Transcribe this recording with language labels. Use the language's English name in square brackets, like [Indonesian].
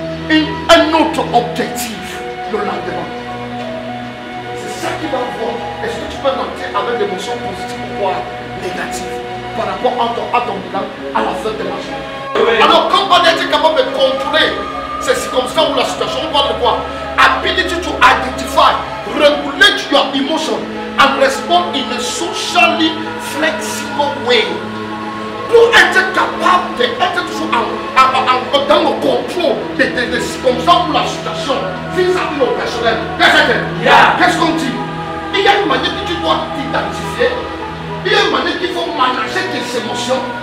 [French] Un autre objectif le lendemain. C'est ça qui va voir. Est-ce que tu peux rentrer avec des émotions positives ou négatives par rapport à ton bilan à la fin de la journée? Alors, comment être capable de contrôler ces circonstances ou la situation? On parle de quoi? [English] Ability to identify, regulate your emotion and respond in a socially flexible way. [French] Pour être capable d'être toujours dans le contrôle des circonstances ou la situation vis-à-vis au personnel. Qu'est-ce qu'on dit? Il y a une manière que tu dois t'identifier. Il y a une manière qu'il faut manager tes émotions.